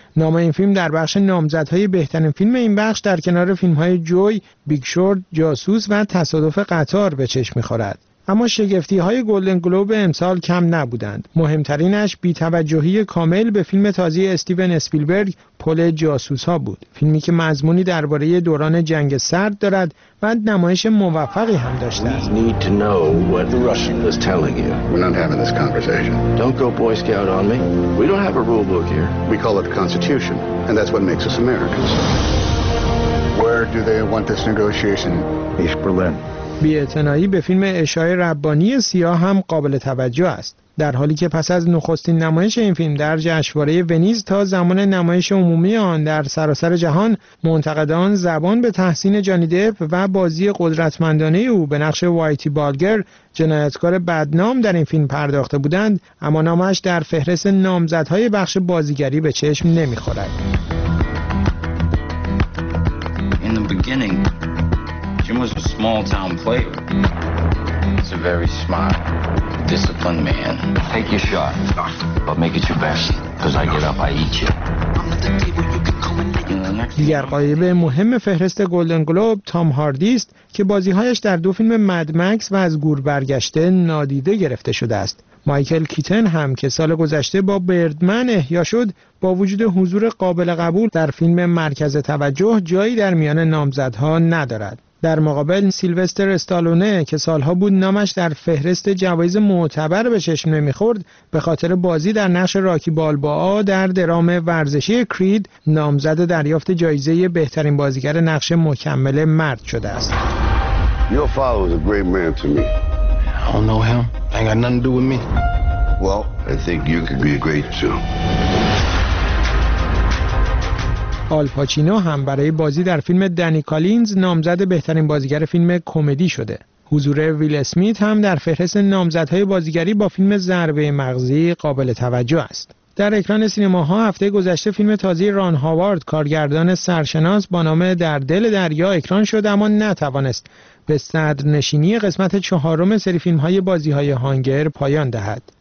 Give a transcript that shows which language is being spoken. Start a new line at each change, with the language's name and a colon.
Persian: نام این فیلم در بخش نامزدهای بهترین فیلم این بخش در کنار فیلم‌های جوی، بیگ شورت، جاسوس و تصادف قطار به چشم می‌خورد. اما شگفتی‌های گلدن گلوب امسال کم نبودند. مهمترینش بی‌توجهی کامل به فیلم تازه استیون اسپیلبرگ پل جاسوس‌ها بود. فیلمی که مضمونی درباره دوران جنگ سرد دارد و نمایش موفقی هم داشته است.
English: Need to know what the Russian is telling you. We're not having this conversation. Don't go boy scout on me. We don't have a rule book here. We call it the Constitution, and that's what makes us Americans. Where do they want this negotiation? East Berlin.
Persian: بی‌اعتنایی به فیلم اشای ربانی سیاه هم قابل توجه است. در حالی که پس از نخستین نمایش این فیلم در جشنواره ونیز تا زمان نمایش عمومی آن در سراسر جهان، منتقدان زبان به تحسین جانی دپ و بازی قدرتمندانه او به نقش وایتی بالگر، جنایتکار بدنام در این فیلم پرداخته بودند، اما نامش در فهرست نامزدهای بخش بازیگری به چشم نمی‌خورد.
English: In the beginning, Jim was a small town player. He's a very smart, disciplined man. Take your shot, but make it your best, because I get up, I eat you.
Persian: دیگر غایب مهم فهرست گلدن گلوب تام هاردی است که بازیهایش در دو فیلم مد مکس و از گور برگشته نادیده گرفته شده است. مایکل کیتن هم که سال گذشته با بردمن احیا شد، با وجود حضور قابل قبول در فیلم مرکز توجه جایی در میان نامزدها ندارد. در مقابل سیلوستر استالونه که سالها بود نامش در فهرست جوایز معتبر به چشم نمی‌خورد، به خاطر بازی در نقش راکی بالبا در درام ورزشی کرید نامزد دریافت جایزه بهترین بازیگر نقش مکمل مرد شده است.
English: Your father was a great man to me. I don't know him. I got nothing to do with me. Well, I think you could be great too.
Persian: آل پاچینو هم برای بازی در فیلم دنی کالینز نامزد بهترین بازیگر فیلم کمدی شده. حضور ویل اسمیت هم در فهرست نامزدهای بازیگری با فیلم ضربه مغزی قابل توجه است. در اکران سینماها هفته گذشته فیلم تازه ران هاوارد کارگردان سرشناس با نام در دل دریا اکران شد، اما نتوانست به صدرنشینی قسمت چهارم سری فیلم‌های بازی‌های هانگر پایان دهد.